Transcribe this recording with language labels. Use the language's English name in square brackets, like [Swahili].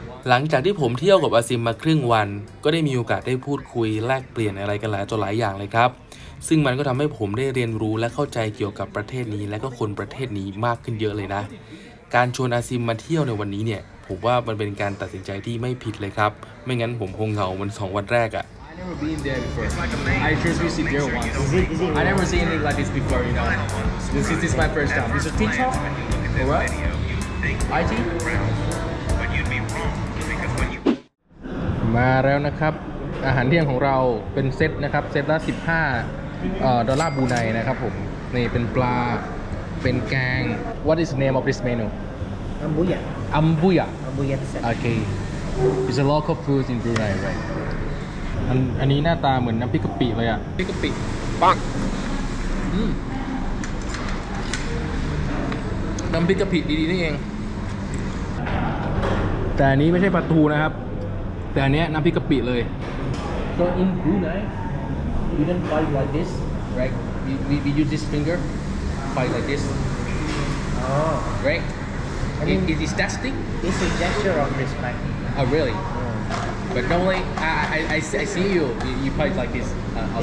[Thai] หลังจากที่ผมเที่ยวกับอาซิมมาครึ่งวันก็ได้มีโอกาสได้พูดคุยแลกเปลี่ยนอะไรกันหลายจนหลายอย่างเลยครับซึ่งมันก็ทำให้ผมได้เรียนรู้และเข้าใจเกี่ยวกับประเทศนี้และก็คนประเทศนี้มากขึ้นเยอะเลยนะการชวนอาซิมมาเที่ยวในวันนี้เนี่ยผมว่ามันเป็นการตัดสินใจที่ไม่ผิดเลยครับไม่งั้นผมคงเหงาวัน2วันแรกอะ [English] I've never been there before. I just visited there once. I never seen anything like this before, you know. This is my first time. This is Pizza? Or what? IT? [Thai] มาแล้วนะครับอาหารเที่ยงของเราเป็นเซตนะครับเซตละ15ดอลลาร์บูไนนะครับผมนี่เป็นปลาเป็นแกง [English] What is the name of this menu? Ambuya. Ambuya. Ambuya. Okay. It's a local food in Brunei, right? [Thai] อันนี้หน้าตาเหมือนน้ำพริกกะปิเลยอ่ะ พริกกะปิปังน้ำพริกกะปิดีๆนี่เอง แต่นี้ไม่ใช่ปลาทูนะครับแต่อันนี้น้ำพริกกะปิเลย [English] So in Brunei we don't bite like this right we use this finger bite like this oh right I mean, it is testing it's a gesture of respect oh really yeah. but normally I see you bite like this also